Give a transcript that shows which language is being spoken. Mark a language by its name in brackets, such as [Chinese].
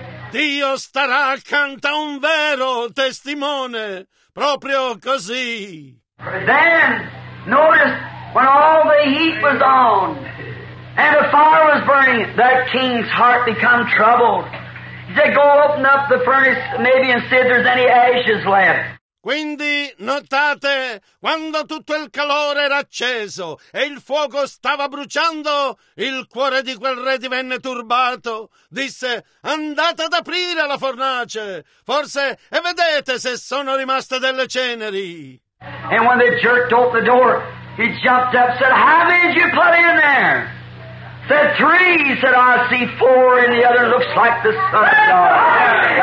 [Italian] Dio starà accanto a un vero testimone. Proprio così. [English] Then, notice, when all the heat was on, and the fire was burning, that king's heart became troubled. He said, go open up the furnace, maybe, and see if there's any ashes left. [Italian] Quindi, notate, quando tutto il calore era acceso e il fuoco stava bruciando, il cuore di quel re divenne turbato. Disse, andate ad aprire la fornace, forse, e vedete se sono rimaste delle ceneri. [English] And when they jerked open the door, he jumped up and said, how many did you put in there? Said, three. He said, I see four, and the other looks like the Son of God.